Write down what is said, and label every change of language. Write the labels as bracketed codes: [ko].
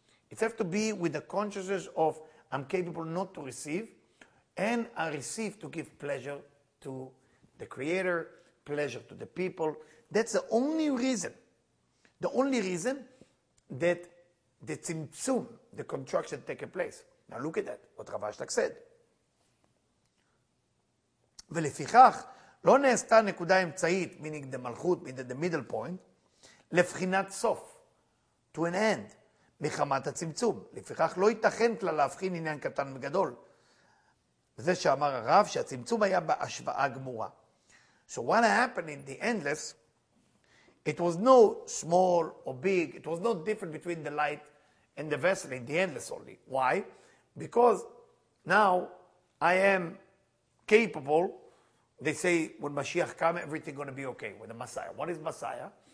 [en] It has to be with the consciousness of I'm capable not to receive, and I receive to give pleasure to the creator, pleasure to the people. That's the only reason. The only reason that the tzimtzum, the contraction takes place. Now look at that, what Rav Ashlag said. [he] ולפיכך, לא נעשתה נקודה אמצעית, [en] meaning the [he] מלכות, [en] meaning the middle point, [he] לבחינת סוף, [en] to an end, [he] מחמת הצמצום. לפיכך לא ייתכן כלל להבחין עניין קטן וגדול. זה שאמר הרב שהצמצום היה בהשוואה גמורה. [en] So what happened in the endless, it was no small or big, it was not different between the light and the vessel in the endless only. Why? Because now I am capable. They say, when Mashiach come, everything going to be okay with the Messiah. What is Messiah?